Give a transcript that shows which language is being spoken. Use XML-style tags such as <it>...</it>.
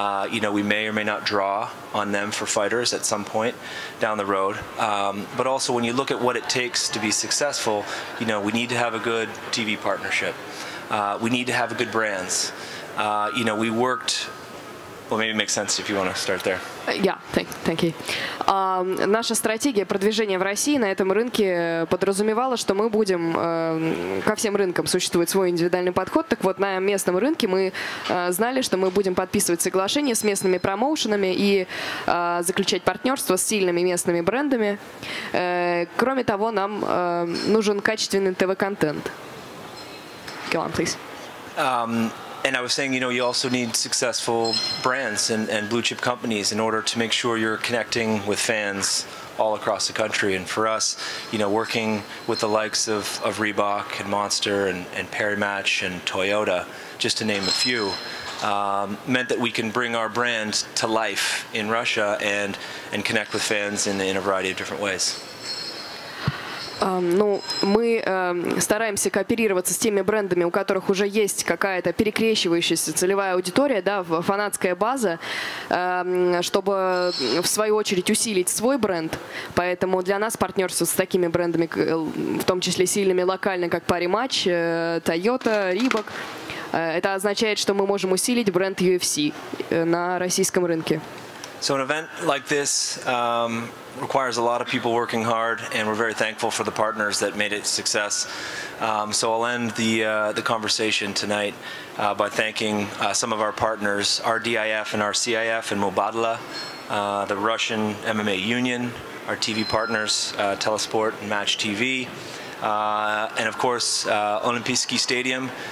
<en>You know, we may or may not draw on them for fighters at some point down the road. But also when you look at what it takes to be successful, you know, we need to have a good TV partnership. We need to have good brands. You know, we worked. Well, maybe it makes sense if you want to start there. Yeah, thank you.</en> <ru>Наша стратегия продвижения в России на этом рынке подразумевала, что мы будем ко всем рынкам существует свой индивидуальный подход. Так вот, на местном рынке мы знали, что мы будем подписывать соглашения с местными промоушенами и заключать партнерство с сильными местными брендами. Кроме того, нам нужен качественный ТВ-контент.</ru> <en>Go on, please. And I was saying, you know, you also need successful brands and blue chip companies in order to make sure you're connecting with fans all across the country. And for us, you know, working with the likes of Reebok and Monster and Parimatch and Toyota, just to name a few, meant that we can bring our brand to life in Russia and connect with fans in a variety of different ways.</en> <ru>Ну, мы стараемся кооперироваться с теми брендами, у которых уже есть какая-то перекрещивающаяся целевая аудитория, да, фанатская база, чтобы в свою очередь усилить свой бренд. Поэтому для нас партнерство с такими брендами, в том числе сильными локально, как Parimatch, Toyota, Reebok, это означает, что мы можем усилить бренд UFC на российском рынке.</ru> <en>So an event like this requires a lot of people working hard, and we're very thankful for the partners that made it a success. So I'll end the conversation tonight by thanking some of our partners, RDIF and RCIF and Mubadala, the Russian MMA Union, our TV partners, Telesport and Match TV, and of course, Olympiski Stadium.</en>